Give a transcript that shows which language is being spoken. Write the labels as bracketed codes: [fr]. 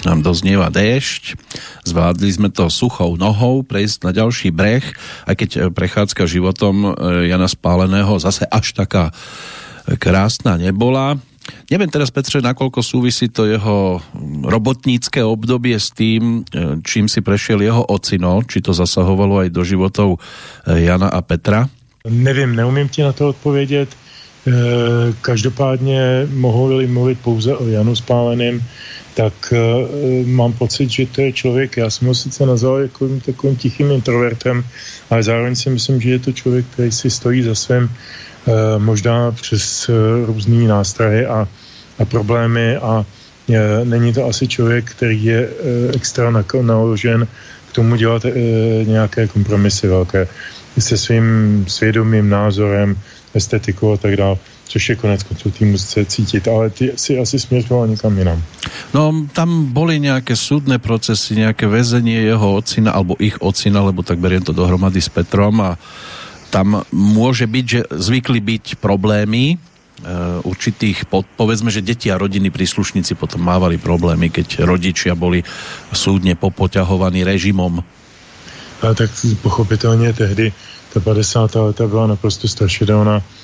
[sk] Znieva déšť, zvládli sme to suchou nohou prejsť na ďalší breh, aj keď prechádzka životom Jana Spáleného zase až taká krásna nebola. Neviem teraz, Petre, nakoľko súvisí to jeho robotnícke obdobie s tým, čím si prešiel jeho ocino, či to zasahovalo aj do životov Jana a Petra? Neviem, neumiem ti na to odpovedieť. [cs] Každopádne mohli mluvit pouze o Janu Spáleným, tak mám pocit, že to je člověk, já jsem ho sice nazval jako takovým tichým introvertem, ale zároveň si myslím, že je to člověk, který si stojí za svým, možná přes různý nástrahy a problémy, a není to asi člověk, který je extra naložen k tomu dělat nějaké kompromisy velké se svým svědomým, názorem, estetiku a tak dále. Což je konec konců týmu se cítit, ale ty si asi směřoval někam jinam. [sk] No, tam boli nějaké súdne procesy, nějaké väzenie jeho ocina, alebo ich ocina, lebo tak beriem to dohromady s Petrom, a tam môže byť, že zvykli byť problémy určitých, povedzme, že deti a rodiny príslušníci potom mávali problémy, keď rodičia boli súdne popoťahovaní režimom. [cs] A tak pochopitelně tehdy ta 50. leta byla naprosto strašidelná.